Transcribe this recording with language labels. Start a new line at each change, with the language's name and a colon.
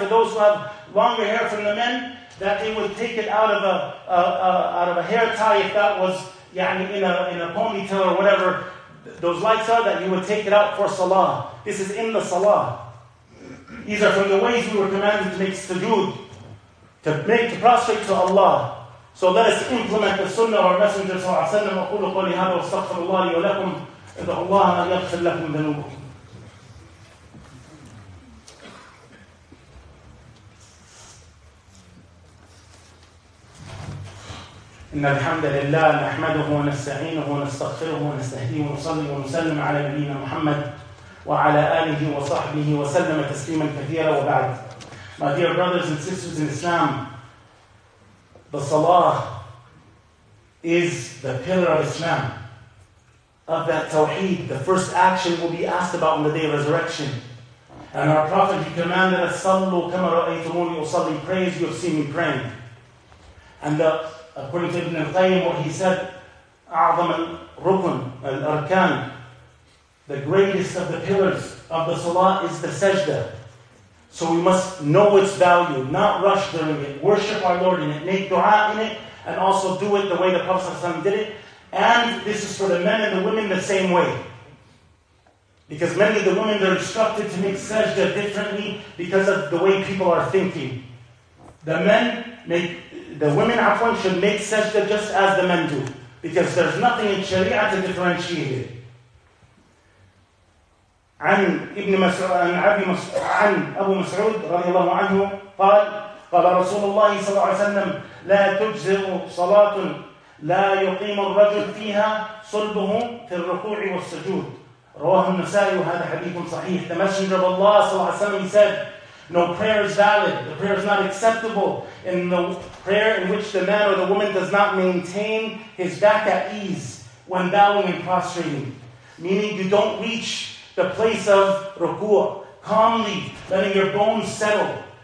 English: For those who have longer hair from the men, that they would take it out of a hair tie if that was in a ponytail or whatever those lights are, that you would take it out for salah. This is in the salah. These are from the ways we were commanded to make sujood, to prostrate to Allah. So let us implement the sunnah of our Messenger صلى الله عليه وسلم.
Arabic: أقول قولي هذا واستغفر الله لي ولكم إن الله أن يغفر لكم ذنوبكم. إن الحمد لله نحمده ونستعينه ونستغفره ونستهديه ونصلي ونسلم على نبينا محمد وعلى آله وصحبه وسلم تسليما كثيرا وبعد.
English: My dear brothers and sisters in Islam, the Salah is the pillar of Islam, of that Tawheed. The first action will be asked about on the day of resurrection. And our Prophet, he commanded us,
Arabic: صلوا كما رأيتموني أصلي,
English: pray as you have seen me praying. And the according to Ibn al-Qayyim, what he said,
Arabic: أعظم الركن, الأركان,
English: the greatest of the pillars of the Salah is the Sajda. So we must know its value, not rush during it, worship our Lord in it, make dua in it, and also do it the way the Prophet ﷺ did it. And this is for the men and the women the same way. Because many of the women, they're instructed to make Sajda differently because of the way people are thinking. The women should make sajda just as the men do, because there's nothing in Sharia to differentiate it.
Arabic: عن ابن مسعود عن أبي مسعود عن أبو مسعود رضي الله عنه قال قال رسول الله صلى الله عليه وسلم لا تجزئ صلاة لا يقيم الرجل فيها صلبه في الركوع والسجود. رواه النسائي, وهذا حديث صحيح.
English: The Messenger of Allah صلى الله عليه وسلم said, no prayer is valid, the prayer is not acceptable in the prayer in which the man or the woman does not maintain his back at ease when bowing and prostrating. Meaning you don't reach the place of ruku', calmly letting your bones settle.